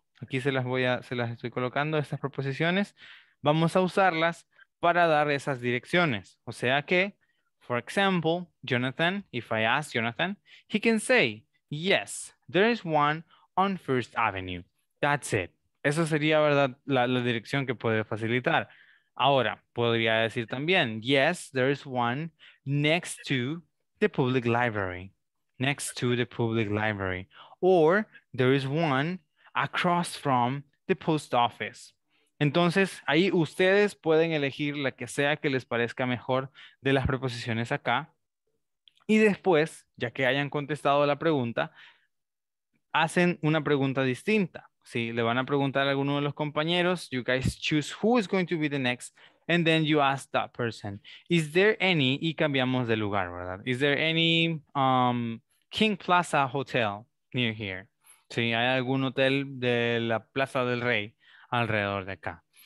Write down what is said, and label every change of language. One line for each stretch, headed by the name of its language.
Spanish: Aquí se las estoy colocando, estas preposiciones. Vamos a usarlas para dar esas direcciones.
English: O sea que, for example, Jonathan, if I ask Jonathan, he can say, yes, there is one on First Avenue. That's it.
Spanish: Eso sería, ¿verdad?, la dirección que puede facilitar. Ahora, podría decir también,
English: yes, there is one next to the public library, next to the public library, or there is one across from the post office.
Spanish: Entonces, ahí ustedes pueden elegir la que sea que les parezca mejor de las preposiciones acá. Y después, ya que hayan contestado la pregunta, hacen una pregunta distinta. Sí, le van a preguntar a alguno de los compañeros.
English: You guys choose who is going to be the next. And then you ask that person, is there any,
Spanish: y cambiamos de lugar, ¿verdad?
English: Is there any King Plaza Hotel near here?
Spanish: Sí, hay algún hotel de la Plaza del Rey alrededor de acá.